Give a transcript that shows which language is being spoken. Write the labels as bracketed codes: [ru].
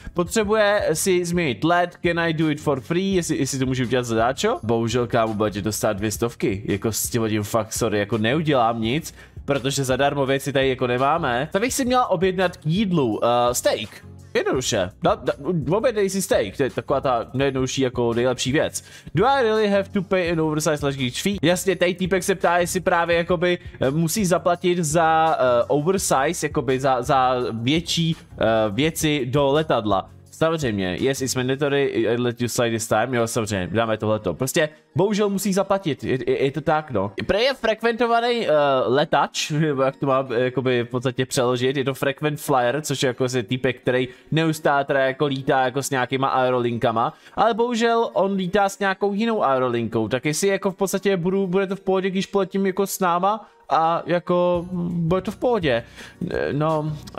[cs] Potřebuje si změnit LED, [en] can I do it for free, [cs] jestli to můžu udělat zadáčo? Bohužel kámo, bude tě dostat 200, jako s tím hodím fakt sorry, jako neudělám nic, protože zadarmo věci tady jako nemáme. Tak bych si měl objednat k jídlu, steak. Jednoduše, objednej si steak, to je taková ta nejjednodušší jako nejlepší věc. [en] Do I really have to pay an oversized luggage fee? [cs] Jasně, tady týpek se ptá, jestli právě jakoby musí zaplatit za oversize, jakoby za větší věci do letadla. Samozřejmě, [en] yes, it's mandatory, I let you slide this time, [cs] jo, samozřejmě, dáme tohleto. Prostě, bohužel musí zaplatit, je to tak, no. Prej je frekventovaný letač, nebo jak to mám, jakoby, v podstatě přeložit, je to frequent flyer, což je jako se týpek, který neustále teda jako lítá jako s nějakýma aerolinkama, ale bohužel on lítá s nějakou jinou aerolinkou, tak jestli jako v podstatě bude to v pohodě, když poletím jako s náma, a jako, bude to v pohodě, no,